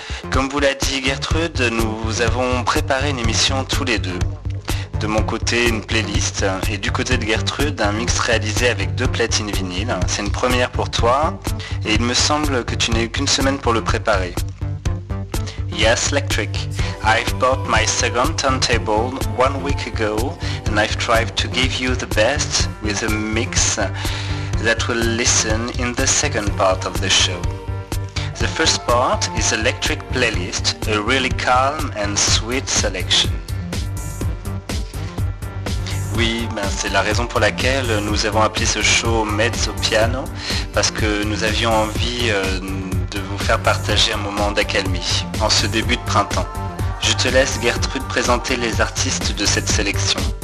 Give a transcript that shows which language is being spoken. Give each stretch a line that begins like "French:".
French: Comme vous l'a dit Gertrude, nous avons préparé une émission tous les deux. De mon côté, une playlist, et du côté de Gertrude, un mix réalisé avec 2 platines vinyles. C'est une première pour toi, et il me semble que tu n'as eu qu'une semaine pour le préparer.
English: Yes, Electric, I've bought my second turntable 1 week ago, and I've tried to give you the best with a mix that will listen in the second part of the show. The first part is Electric Playlist, a really calm and sweet selection.
French: Oui, ben c'est la raison pour laquelle nous avons appelé ce show Mezzo Piano, parce que nous avions envie de vous faire partager un moment d'accalmie, en ce début de printemps. Je te laisse Gertrude présenter les artistes de cette sélection.